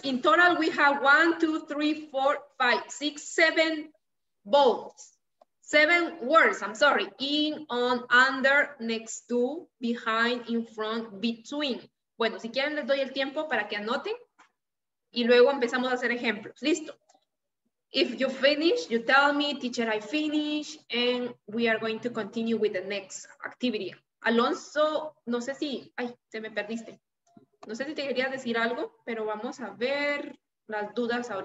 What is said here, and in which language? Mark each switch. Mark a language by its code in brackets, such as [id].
[en] In total, we have 1, 2, 3, 4, 5, 6, 7 balls. 7 words, I'm sorry. In, on, under, next to, behind, in front, between. [es] Bueno, si quieren les doy el tiempo para que anoten y luego empezamos a hacer ejemplos. Listo. [en] If you finish, you tell me, teacher, I finish, and we are going to continue with the next activity. [es] Alonso, no sé si, ay, se me perdiste. No sé si te quería decir algo, pero vamos a ver las dudas ahorita.